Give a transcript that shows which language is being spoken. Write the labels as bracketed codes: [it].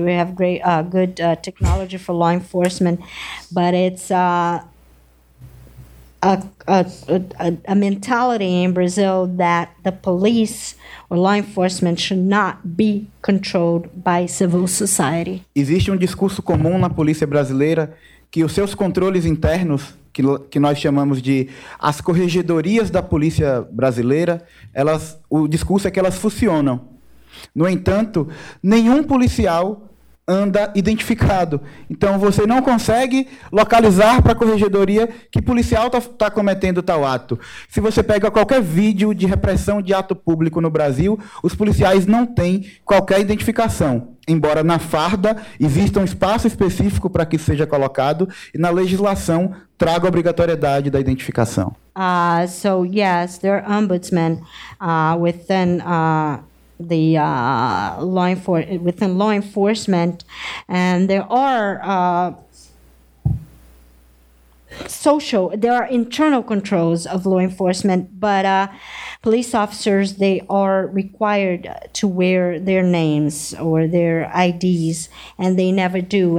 [en] We have great good technology for law enforcement, but it's a mentality in Brazil that the police or law enforcement should not be controlled by civil society. [pt] Existe discurso comum na polícia brasileira que os seus controles internos, que nós chamamos de as corregedorias da polícia brasileira, o discurso é que elas funcionam. No entanto, nenhum policial anda identificado. Então, você não consegue localizar para a corregedoria que policial está cometendo tal ato. Se você pega qualquer vídeo de repressão de ato público no Brasil, os policiais não têm qualquer identificação. Embora na farda exista espaço específico para que isso seja colocado e na legislação traga a obrigatoriedade da identificação. [en] So, yes, there are ombudsmen within within law enforcement, and there are internal controls of law enforcement, but police officers, they are required to wear their names or their IDs, and they never do.